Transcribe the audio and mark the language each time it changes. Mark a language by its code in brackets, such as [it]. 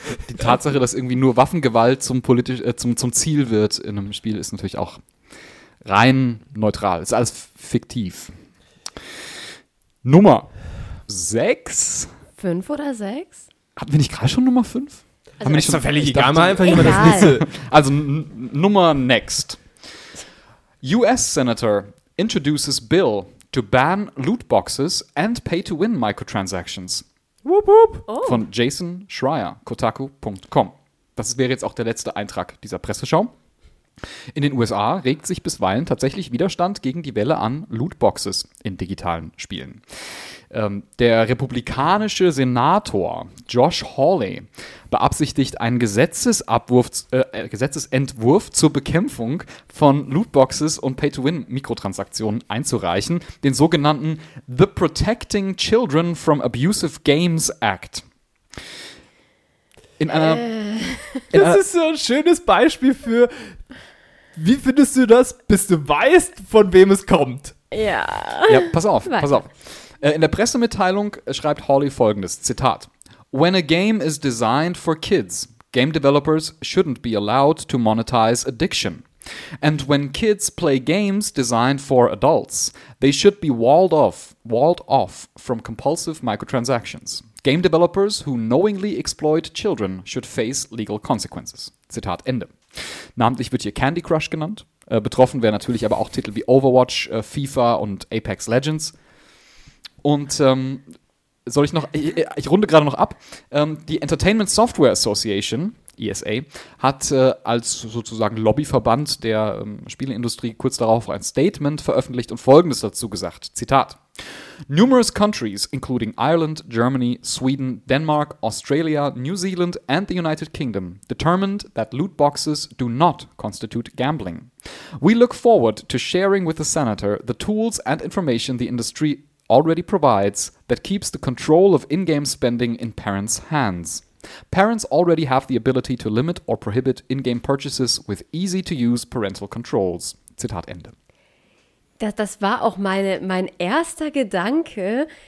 [de] Die Tatsache, dass irgendwie nur Waffengewalt zum Ziel wird in einem Spiel, ist natürlich auch rein neutral. Ist alles fiktiv. Nummer 6. 5 oder 6? Hatten wir nicht gerade schon Nummer 5? Also ist doch völlig egal, mal einfach immer das nächste. Also Nummer next. [en] US Senator introduces bill to ban loot boxes and pay-to-win microtransactions. Whoop, whoop. [de] Oh. Von Jason Schreier, Kotaku.com. Das wäre jetzt auch der letzte Eintrag dieser Presseschau. In den USA regt sich bisweilen tatsächlich Widerstand gegen die Welle an Lootboxes in digitalen Spielen. Der republikanische Senator Josh Hawley beabsichtigt, einen Gesetzesentwurf zur Bekämpfung von Lootboxes und Pay-to-Win-Mikrotransaktionen einzureichen, den sogenannten The Protecting Children from Abusive Games Act. Das ist so ein schönes Beispiel für. Wie findest du das, bis du weißt, von wem es kommt? Ja. Ja, pass auf. In der Pressemitteilung schreibt Hawley folgendes, Zitat. [en] When a game is designed for kids, game developers shouldn't be allowed to monetize addiction. And when kids play games designed for adults, they should be walled off from compulsive microtransactions. Game developers who knowingly exploit children should face legal consequences. [de] Zitat Ende. Namentlich wird hier Candy Crush genannt. Betroffen wären natürlich aber auch Titel wie Overwatch, FIFA und Apex Legends. Und soll ich noch, ich runde gerade noch ab, die Entertainment Software Association, ESA, hat als sozusagen Lobbyverband der Spieleindustrie kurz darauf ein Statement veröffentlicht und Folgendes dazu gesagt, Zitat. [en] Numerous countries, including Ireland, Germany, Sweden, Denmark, Australia, New Zealand and the United Kingdom, determined that loot boxes do not constitute gambling. We look forward to sharing with the senator the tools and information the industry already provides that keeps the control of in-game spending in parents' hands. Parents already have the ability to limit or prohibit in-game purchases with easy-to-use parental controls. [de] Zitat Ende. Das war auch mein erster Gedanke.